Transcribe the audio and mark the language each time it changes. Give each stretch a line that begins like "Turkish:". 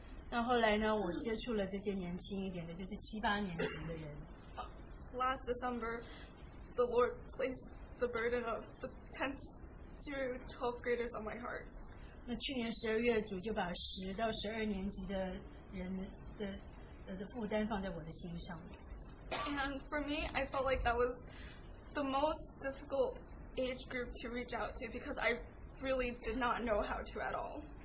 Chinese: 那后来呢，我接触了这些年轻一点的，就是七八年级的人。
English: Last December, the Lord placed the burden of the 10th through 12th graders on my heart.
Chinese: 那去年12月，主就把10到12年级的人的负担放在我的心上。
English: And for me, I felt like that was the most difficult age group to reach out to because I really did not know how to at all.